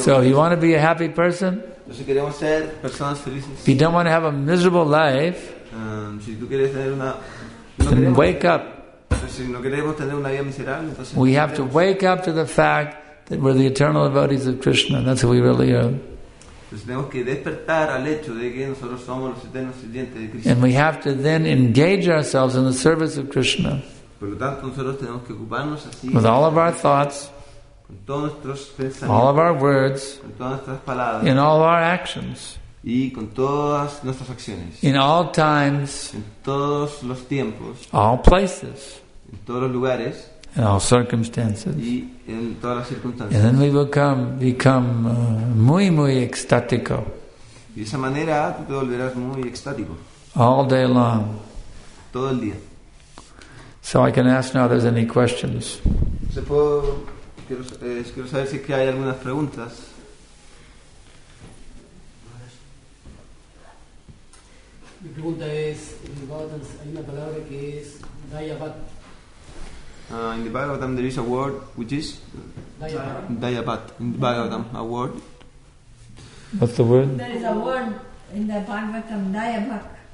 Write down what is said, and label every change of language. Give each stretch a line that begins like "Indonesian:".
English: So you want to be a happy person?
Spanish: Si queremos ser personas felices.
English: If you don't want to have a miserable life,
Spanish: si tú quieres tener una,
English: then wake up.
Spanish: Si no queremos tener una vida miserable, entonces.
English: We have to wake up to the fact that we're the eternal devotees of Krishna. That's who we really are.
Spanish: Entonces tenemos que despertar al hecho de que nosotros somos los eternos sirvientes de Krishna.
English: And we have to then engage ourselves in the service of Krishna.
Spanish: Por lo tanto, nosotros tenemos que ocuparnos así.
English: With all of our thoughts,
Spanish: con todos nuestros pensamientos,
English: all of our words,
Spanish: con todas nuestras palabras,
English: in all our actions,
Spanish: y con todas nuestras acciones,
English: in all times,
Spanish: en todos los tiempos,
English: all places,
Spanish: en todos los lugares,
English: in all circumstances.
Spanish: Y en todas las circunstancias.
English: And then we become
Spanish: muy, muy extático. Y de esa manera tú te volverás muy extático.
English: All day long.
Spanish: Todo el día.
English: So I can ask now if there's any questions.
Spanish: Quiero saber si es que hay algunas preguntas. Mi pregunta es, en el Bhagavatam hay una palabra que es Dayapat.
English: In the Bhagavatam there is a word which is Dayapat. In the Bhagavatam, a word. What's the word? There is a word in the Bhagavatam, Dayapat.